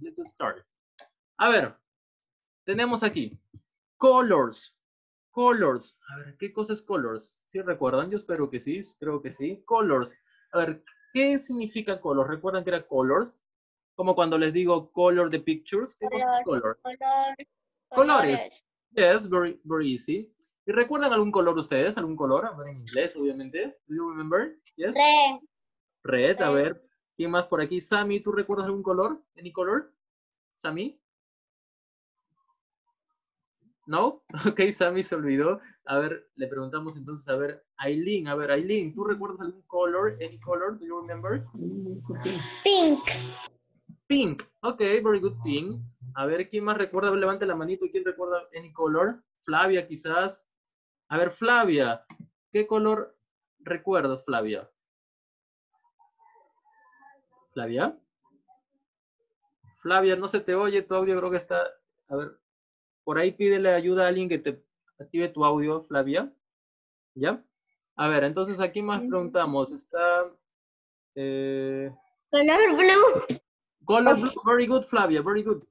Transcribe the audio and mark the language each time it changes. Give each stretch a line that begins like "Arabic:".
English: Let's start.
Spanish: A ver, tenemos aquí colors. Colors. A ver, ¿qué cosa es colors? ¿Sí recuerdan? Yo espero que sí, creo que sí. Colors. A ver, ¿qué significa color? ¿Recuerdan que era colors? Como cuando les digo
English: color the pictures.
Spanish: ¿Qué color, cosa es color? Colores. Colores.
English: Yes, very, very easy.
Spanish: ¿Y recuerdan algún color ustedes? ¿Algún color? A ver, en inglés, obviamente.
English: ¿Do you remember? Yes.
Spanish: Red. Red, a ver. ¿Quién más por aquí? Sammy, ¿tú recuerdas algún color?
English: ¿Any color? ¿Sammy?
Spanish: ¿No? Ok, Sammy se olvidó. A ver, le preguntamos entonces, a ver, Aileen. A ver, Aileen, ¿tú recuerdas algún color?
English: ¿Any color? ¿Do you remember? Pink. Pink. Ok, very good, pink.
Spanish: A ver, ¿quién más recuerda? Levante la manito. ¿Quién recuerda
English: any color?
Spanish: Flavia, quizás. A ver, Flavia, ¿qué color recuerdas, Flavia? ¿Flavia? Flavia, no se te oye, tu audio creo que está... A ver, por ahí pídele ayuda a alguien que te active tu audio, Flavia. ¿Ya? A ver, entonces, ¿a quién más preguntamos? Está...
English: Color blue. Color blue, very good, Flavia, very good.